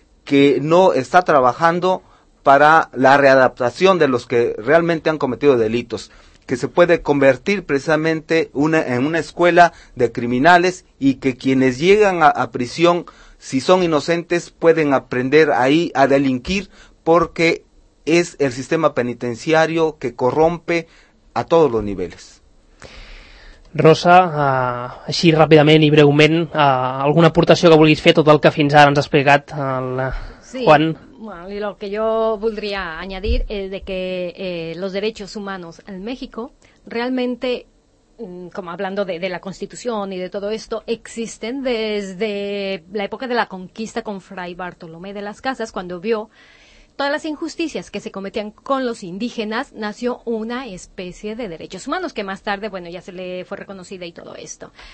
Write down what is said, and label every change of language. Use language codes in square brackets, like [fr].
[es] que no está trabajando para la readaptación de los que realmente han cometido delitos, que se puede convertir precisamente en una escuela de criminales, y que quienes llegan a prisión, si son inocentes, pueden aprender ahí a delinquir, porque es el sistema penitenciario que corrompe a todos los niveles. [ca] Rosa, així ràpidament i breument, alguna aportació que vulguis fer, tot el que fins ara ens ha explicat el Juan? [es] Sí. Bueno, y lo que yo podría añadir es de que los derechos humanos en México realmente, como hablando de la Constitución y de todo esto, existen desde la época de la conquista con Fray Bartolomé de las Casas, cuando vio todas las injusticias que se cometían con los indígenas, nació una especie de derechos humanos que más tarde, bueno, ya se le fue reconocida y todo esto.